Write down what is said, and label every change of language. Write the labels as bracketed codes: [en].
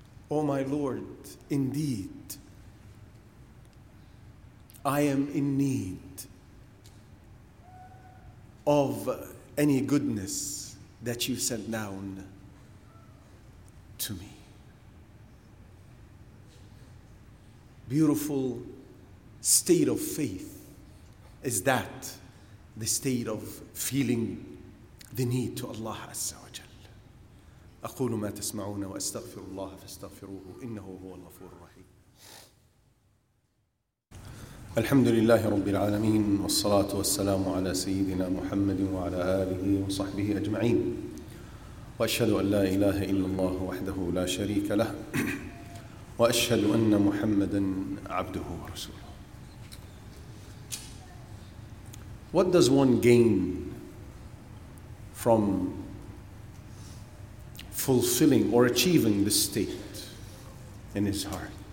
[en] O my Lord, indeed, I am in need of any goodness that you sent down to me. Beautiful state of faith is that, the state of feeling the need to Allah Azza wa Jal. [ar] أقول ما تسمعون وأستغفر الله فاستغفروه إنه هو الغفور الرحيم. الحمد لله رب العالمين والصلاة والسلام على سيدنا محمد وعلى آله وصحبه أجمعين وأشهد أن لا إله إلا الله وحده لا شريك له وأشهد أن محمدًا عبده ورسوله. [en] What does one gain from fulfilling or achieving this state in his heart?